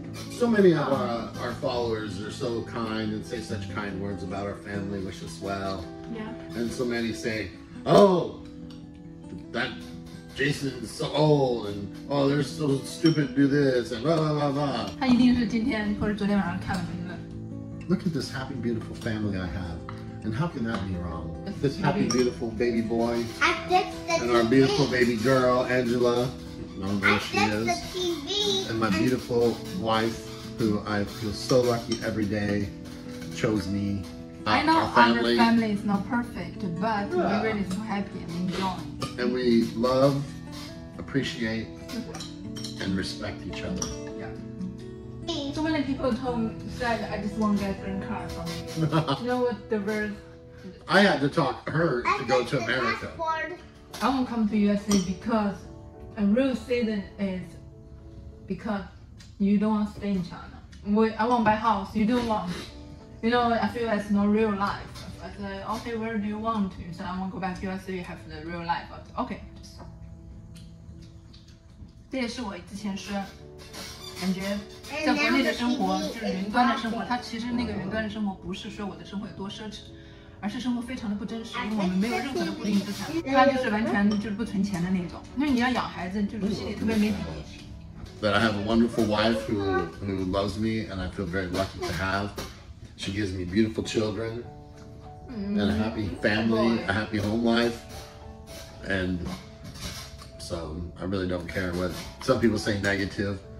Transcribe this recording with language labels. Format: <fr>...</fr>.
<en>So many of our followers are so kind and say such kind words about our family, wish us well. Yeah. And so many say, oh, that Jason is so old, and oh, they're so stupid to do this, and blah, blah, blah, blah.</en> <zh>他一定是今天或者昨天晚上看了评论。</zh> <en>Look at this happy, beautiful family I have. And how can that be wrong? This happy, beautiful baby boy. And our beautiful baby girl, Angela. I don't know where she is. And my beautiful wife, who I feel so lucky every day, chose me. I know our family is not perfect, but we're really so happy and enjoying. And we love, appreciate, and respect each other. Yeah. So many people said, I just want to get a green card from you. You know what the word? I had to talk her to go to America. I won't come to USA because. A real season is because you don't want to stay in China. I want to buy a house. You don't want. You know, I feel that's not real life. I said, okay, where do you want to? You said, I want to go back to USA. You have the real life. But, okay. Just...</en> <zh>这也是我之前说，感觉在国内的生活就是云端的生活。它其实那个云端的生活不是说我的生活有多奢侈，而是生活非常的不真实，因为我们没有任何的固定资产，他就是完全就是不存钱的那种。那你要养孩子，就是心里特别没底。</zh> <en>But I have a wonderful wife who loves me, and I feel very lucky to have. She gives me beautiful children, and a happy family, a happy home life. And so I really don't care what some people say negative.</en>